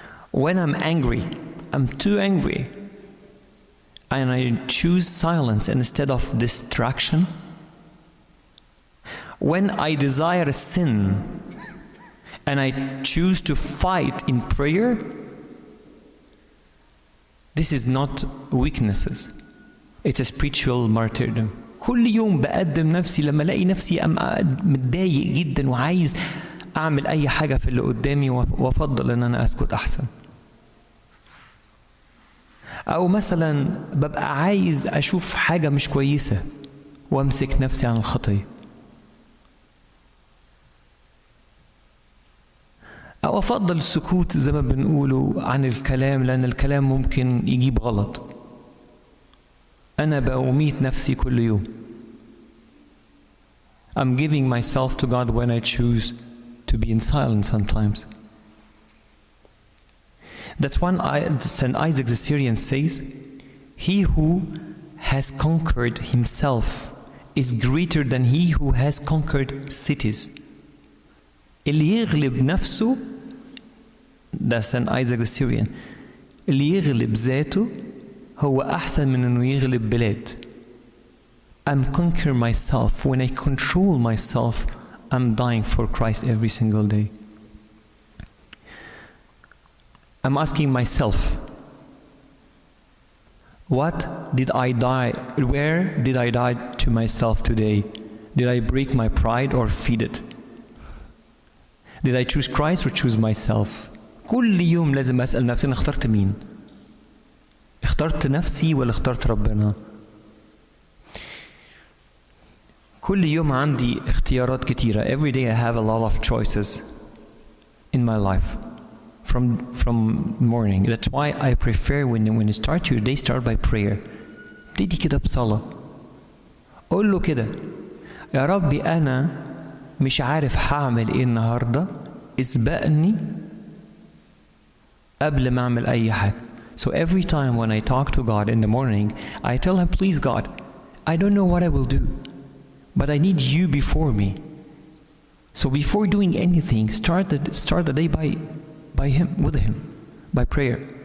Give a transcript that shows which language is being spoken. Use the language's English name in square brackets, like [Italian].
[English] When I'm angry, I'm too angry, and I choose silence instead of distraction. When I desire sin, and I choose to fight in prayer, this is not weaknesses. It's a spiritual martyrdom. [Arabic] كل يوم بقدم نفسي لما الاقي نفسي ام متضايق جدا وعايز اعمل اي حاجه في اللي قدامي وافضل ان انا اسكت احسن. او مثلا ببقى عايز اشوف حاجه مش كويسه وامسك نفسي عن الخطيه. او افضل السكوت زي ما بنقوله عن الكلام لان الكلام ممكن يجيب غلط. انا بأميت نفسي كل يوم. [English] I'm giving myself to God when I choose to be in silence sometimes. That's when St. Isaac the Syrian says, he who has conquered himself is greater than he who has conquered cities. [Arabic] اللي يغلب نفسه, [English] that's St. [Arabic] Isaac the Syrian, اللي يغلب ذاته هو أحسن من أنه يغلب بلاد. [English] I'm conquering myself. When I control myself, I'm dying for Christ every single day. I'm asking myself, what did I die? Where did I die to myself today? Did I break my pride or feed it? Did I choose Christ or choose myself? [Arabic] كل يوم لازم أسأل نفسي أنا اخترت مين؟ اخترت نفسي ولا اخترت ربنا؟ كل يوم عندي اختيارات كتيرة. [English] Every day I have a lot of choices in my life from morning. That's why I prefer when you start your day, start by prayer. [Arabic] ابتدي كده بصلاة. قول له كده. يا ربي أنا مش عارف هعمل إيه النهاردة. اسبقني قبل ما أعمل أي حاجة. [English] So every time when I talk to God in the morning, I tell him, please God, I don't know what I will do. But I need you before me. So before doing anything, start the day by him, with him, by prayer.